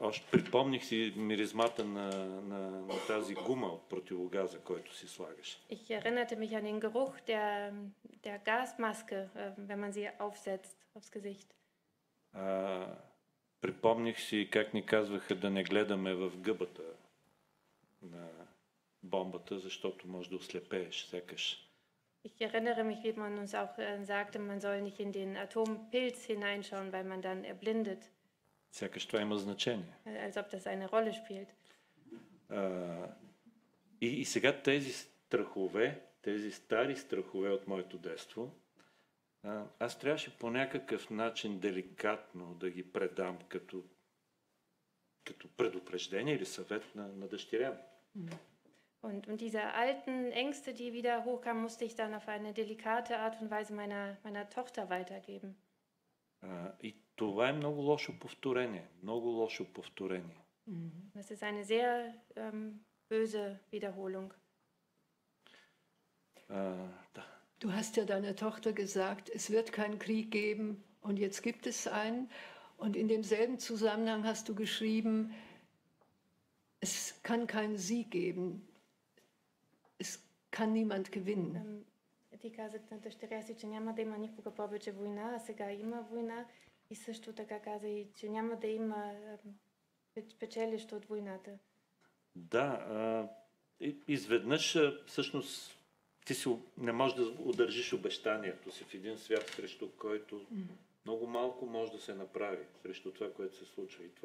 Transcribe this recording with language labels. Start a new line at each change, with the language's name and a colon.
Bulgarian: Припомних си миризмата на тази гума от противогаза, който си слагаш.
German: Ich erinnerte mich an den Geruch der Gasmaske, wenn man sie aufsetzt aufs Gesicht.
Bulgarian: Припомних си как ни казваха да не гледаме в гъбата на бомбата, защото може да ослепееш, сякаш.
German: Ich erinnere mich, wie man uns auch sagte, man soll nicht in den Atompilz hineinschauen, weil man dann erblindet.
Bulgarian: Сякаш това има значение.
German: Als ob das eine Rolle spielt.
Bulgarian: И сега тези страхове, тези стари страхове от моето детство, аз трябваше по някакъв начин деликатно да ги предам като предупреждение или съвет на дъщеря.
German: Und diese alten Ängste, die wieder hochkamen, musste ich dann auf eine delikate Art und Weise meiner Tochter weitergeben.
Bulgarian: И това е много лошо повторение, много лошо повторение.
German: Das ist eine sehr böse Wiederholung. Du hast ja deiner Tochter gesagt, es wird keinen Krieg geben und jetzt gibt es einen. Und in demselben Zusammenhang hast du geschrieben, es kann keinen Sieg geben. Es kann niemand gewinnen.
Bulgarian: Ти казах на дъщеря си, че няма да има никога повече война, а сега има война. И също така каза и, че няма да има печелище от войната. Да, изведнъж всъщност ти си не можеш да удържиш обещанието си в един свят, срещу който много малко може да се направи, срещу това, което се случва.